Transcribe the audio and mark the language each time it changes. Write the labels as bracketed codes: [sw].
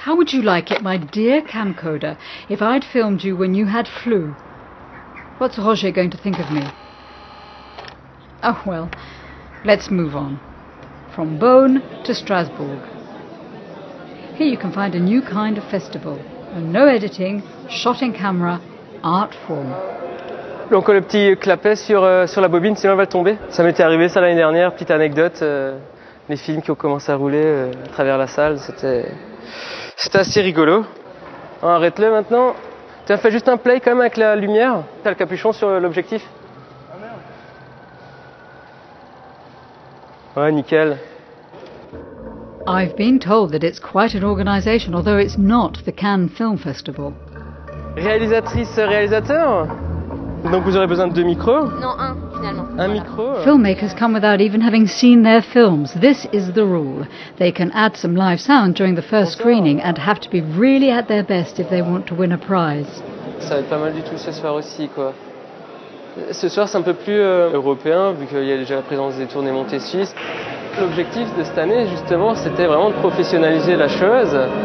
[en] How would you like it, my dear camcorder, if I'd filmed you when you had flu? What's Roger going to think of me? Oh well, let's move on. From Beaune to Strasbourg. Here you can find a new kind of festival. No editing, shot in camera, art form. [fr] Donc le petit clapet sur la bobine, sinon elle va tomber. Ça m'était arrivé ça l'année dernière, petite anecdote. Les films qui ont commencé à rouler à travers la salle, c'était assez rigolo. On arrête le maintenant. Tu as fait juste un play quand même avec la lumière. T'as le capuchon sur l'objectif. Ouais, nickel. [en] I've been told that it's quite an organization, although it's not the Cannes Film Festival. [fr] Réalisatrice, réalisateur. Donc vous aurez besoin de deux micros ? Non, un, finalement. Un voilà. Micro ? [en] Filmmakers come without even having seen their films. This is the rule. They can add some live sound during the first screening and have to be really at their best if they want to win a prize. [fr] Ça va être pas mal du tout ce soir aussi, quoi. Ce soir, c'est un peu plus européen, vu qu'il y a déjà la présence des tournées montées suisses. L'objectif de cette année, justement, c'était vraiment de professionnaliser la chose.